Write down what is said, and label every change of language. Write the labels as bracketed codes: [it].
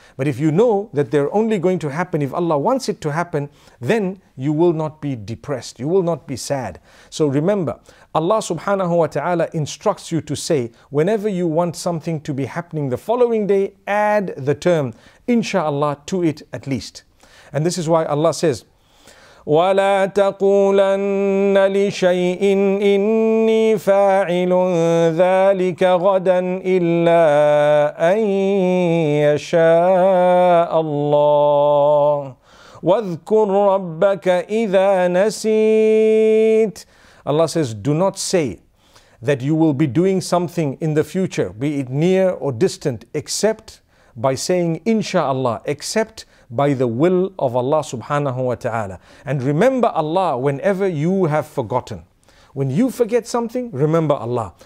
[en] But if you know that they're only going to happen if Allah wants it to happen, then you will not be depressed, you will not be sad. So remember, Allah subhanahu wa ta'ala instructs you to say, whenever you want something to be happening the following day, add the term inshallah to it at least. And this is why Allah says, [ar] ولا تقولن لشيء إني فاعل ذلك غدا إلا أن يشاء الله واذكر ربك إذا نسيت. [en] Allah says, do not say that you will be doing something in the future, be it near or distant, except by saying inshallah, except by the will of Allah subhanahu wa ta'ala. And remember Allah whenever you have forgotten. When you forget something, remember Allah.